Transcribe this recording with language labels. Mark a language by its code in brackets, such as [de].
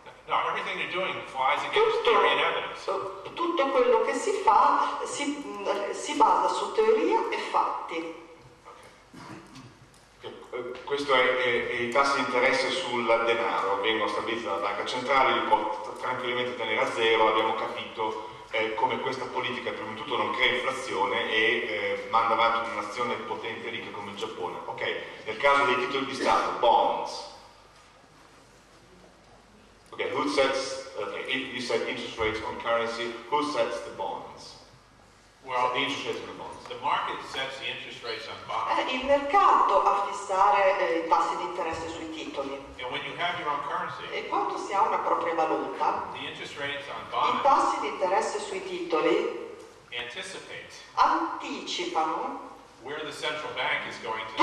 [en] No, everything they're doing flies against theory and evidence. [it] Tutto quello che si fa si basa su teoria e fatti. Questo è i tassi di interesse sul denaro, vengono stabiliti dalla banca centrale, li può tranquillamente tenere a zero, abbiamo capito come questa politica prima di tutto non crea inflazione e manda avanti una nazione potente e ricca come il Giappone. Ok, nel caso dei titoli di Stato, bonds. [en] Ok, who sets, you said interest rates on currency, who sets the bonds? Well, the interest rates on the bonds. The market sets the interest rates on bonds. [it] Il mercato a fissare i tassi di interesse sui titoli. [en] And when you have your own currency, [it] e quando si ha una propria valuta, [en] the interest rates on bonds, [it] i tassi di interesse sui titoli [en] anticipate [it] anticipano [en] where the central bank is going to